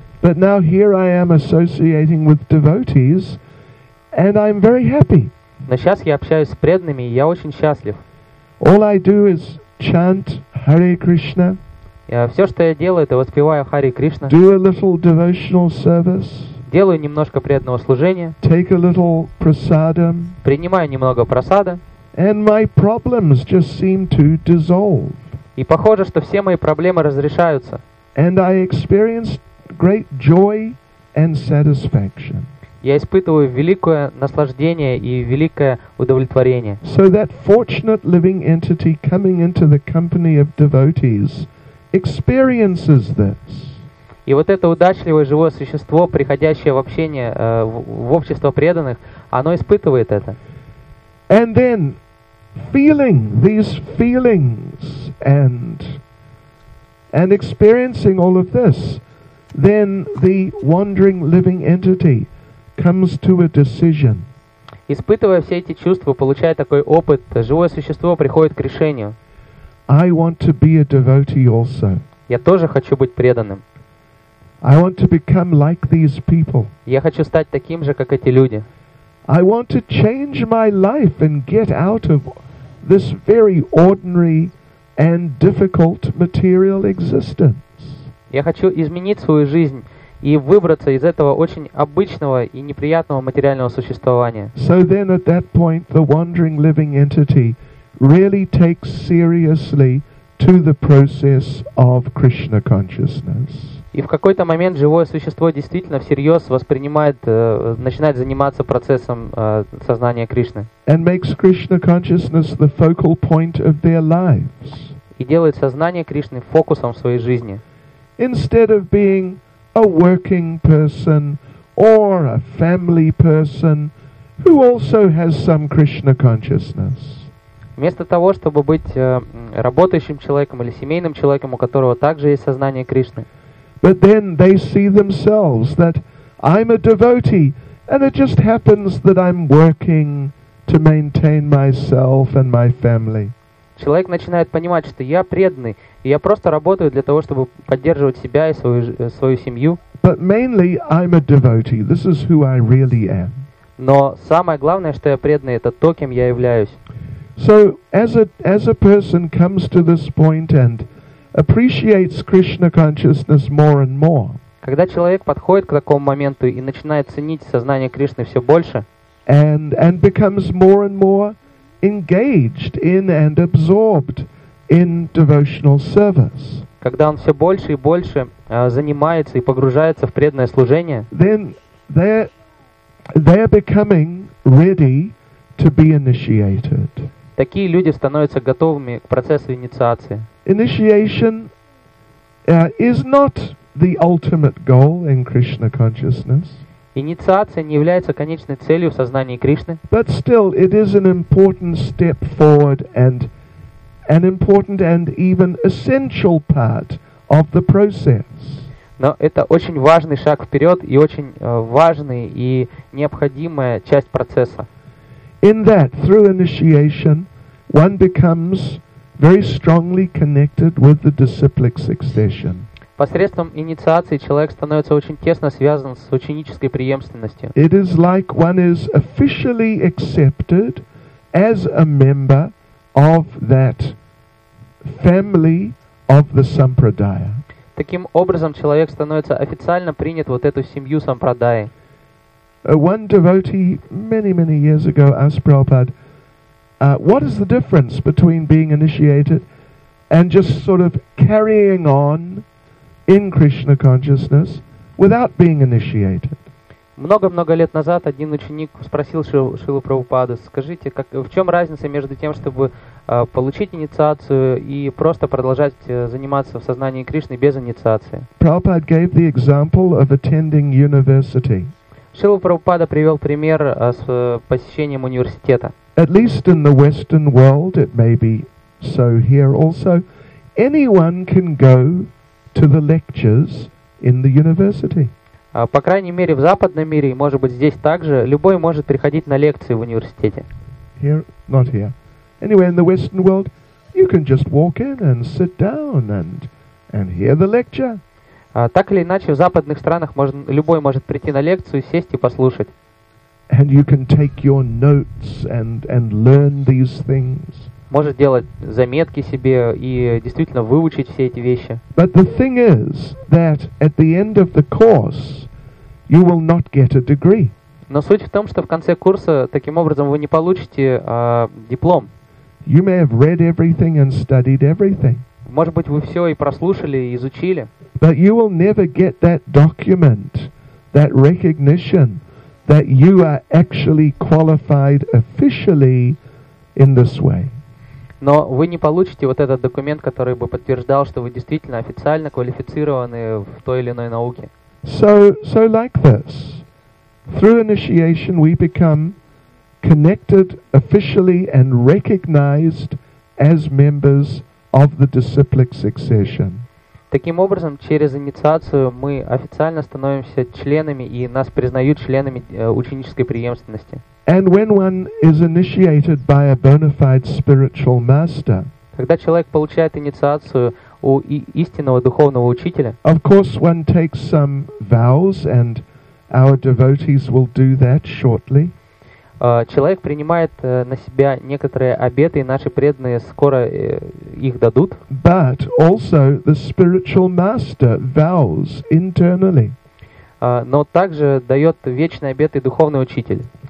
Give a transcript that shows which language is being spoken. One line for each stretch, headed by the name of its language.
English: But now here I am associating with devotees, and I'm very happy.
Russian: Но сейчас я общаюсь с преданными, и я очень счастлив.
English: All I do is chant Hare Krishna.
Russian: Все, что я делаю, это воспеваю Харе Кришна.
English: Do a little devotional service.
Russian: делаю немножко преданного служения,
English: take a little prasadam,
Russian: принимаю немного прасада,
English: and my problems just seem to dissolve.
Russian: И похоже, что все мои проблемы разрешаются.
English: And I experience great joy and satisfaction.
Russian: Я испытываю великое наслаждение и великое удовлетворение.
English: So that fortunate living entity coming into the company of devotees experiences this.
Russian: И вот это удачливое живое существо, приходящее в общение, в общество преданных, оно испытывает это.
English: And then feeling these feelings and experiencing all of this, then the wandering living entity comes to a decision.
Russian: Испытывая все эти чувства, получая такой опыт, живое существо приходит к решению.
English: I want to be a devotee also.
Russian: Я тоже хочу быть преданным.
English: I want to become like these people.
Russian: Я хочу стать таким же, как эти люди.
English: I want to change my life and get out of this very ordinary and difficult material existence.
Russian: Я хочу изменить свою жизнь и выбраться из этого очень обычного и неприятного материального существования.
English: So then at that point the wandering living entity really takes seriously to the process of Krishna consciousness.
Russian: И в какой-то момент живое существо действительно всерьез воспринимает, начинает заниматься процессом сознания Кришны.
English: And makes Krishna consciousness the focal point of their lives.
Russian: И делает сознание Кришны фокусом своей жизни.
English: Instead of being a working person or a family person who also has some Krishna consciousness.
Russian: Вместо того, чтобы быть работающим человеком или семейным человеком, у которого также есть сознание Кришны.
English: But then they see themselves that I'm a devotee and it just happens that I'm working to maintain myself and my family.
Russian: Человек начинает понимать, что я преданный, и я просто работаю для того, чтобы поддерживать себя и свою семью.
English: But mainly I'm a devotee. This is who I really am.
Russian: Но самое главное, что я преданный, это то, кем я являюсь.
English: So as a person comes to this point and appreciates Krishna consciousness more and more.
Russian: Когда человек подходит к такому моменту и начинает ценить сознание Кришны все больше,
English: and becomes more and more engaged in and absorbed in devotional service.
Russian: Когда он все больше и больше занимается и погружается в преданное служение,
English: then they're becoming ready to be initiated.
Russian: Такие люди становятся готовыми к процессу инициации.
English: Initiation is not the ultimate goal in Krishna consciousness.
Russian: Инициация не является конечной целью в сознании Кришны.
English: But still, it is an important step forward and an important and even essential part of the process.
Russian: Но это очень важный шаг вперед и очень важная и необходимая часть процесса.
English: In that, through initiation, one becomes very strongly connected with the disciplic succession.
Russian: Посредством инициации человек становится очень тесно связан с ученической преемственностью.
English: It is like one is officially accepted as a member of that family of the sampradaya.
Russian: Таким образом, человек становится официально принят вот эту семью сампрадаи.
English: One devotee many, many years ago asked Prabhupada, what is the difference between being initiated and just sort of carrying on in Krishna consciousness without being initiated?
Russian: Много-много лет назад один ученик спросил Шрилу Прабхупаду, скажите, в чем разница между тем, чтобы получить инициацию и просто продолжать заниматься в сознании Кришны без инициации?
English: Prabhupada gave the example of attending university.
Russian: Шрила Прабхупада привел пример с посещением университета.
English: At least in the Western world, it may be so here also, anyone can go to the lectures in the university.
Russian: По крайней мере, в западном мире, и может быть здесь также, любой может приходить на лекции в университете.
English: Here, not here. Anyway, in the Western world, you can just walk in and sit down and hear the lecture.
Russian: Так или иначе, в западных странах любой может прийти на лекцию, сесть и послушать.
English: And you can take your notes and learn these things.
Russian: Может делать заметки себе и действительно выучить все эти вещи.
English: But the thing is that at the end of the course, you will not get a degree.
Russian: Но суть в том, что в конце курса таким образом вы не получите диплом.
English: You may have read everything and studied everything.
Russian: Может быть, вы все и прослушали, и изучили.
English: But you will never get that document, that recognition, that you are actually qualified officially in this way.
Russian: Но вы не получите вот этот документ, который бы подтверждал, что вы действительно официально квалифицированы в той или иной науке.
English: So like this. Through initiation we become connected officially and recognized as members of the disciplic succession.
Russian: Таким образом, через инициацию мы официально становимся членами и нас признают членами ученической преемственности.
English: And when one is initiated by a bona fide spiritual master,
Russian: когда человек получает инициацию у истинного духовного учителя,
English: of course one takes some vows, and our devotees will do that shortly.
Russian: Человек принимает на себя некоторые обеты, и наши преданные скоро их дадут.
English: But also the spiritual master vows internally.
Russian: Но также дает вечный обет и духовный учитель.